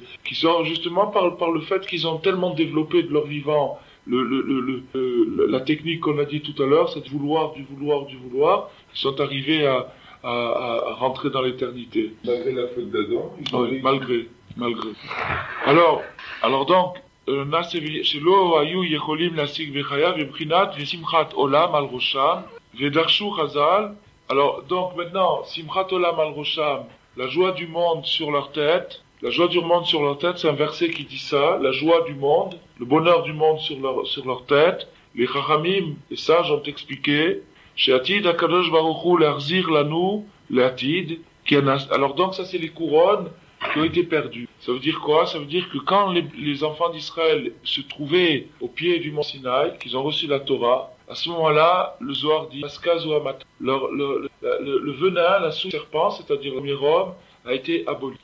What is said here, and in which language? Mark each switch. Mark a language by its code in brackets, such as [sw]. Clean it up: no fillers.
[fr] qui sont justement par le fait qu'ils ont tellement développé de leur vivant la technique qu'on a dit tout à l'heure, cette vouloir, ils sont arrivés à rentrer dans l'éternité. Malgré la faute d'Adam, ils ont... Malgré. Alors donc... [he] שלא היו יכולים להשיג בחייו מבחינת ושמחת עולם על ראשם ודרשו חז"ל. [fr] Alors donc maintenant [he] שמחת עולם על ראשם, [fr] la joie du monde sur leur tête, la joie du monde sur leur tête, c'est un verset qui dit ça, la joie du monde, le bonheur du monde sur leur tête. Les chachamim, les sages ont expliqué [he] שעתיד הקדוש ברוך הוא להחזיר לנו לעתיד. [fr] Alors donc ça c'est les couronnes qui ont été perdus. Ça veut dire quoi? Ça veut dire que quand les enfants d'Israël se trouvaient au pied du mont Sinaï, qu'ils ont reçu la Torah, à ce moment-là, le Zohar dit, le venin, la souche serpent, c'est-à-dire le premier homme, a été aboli.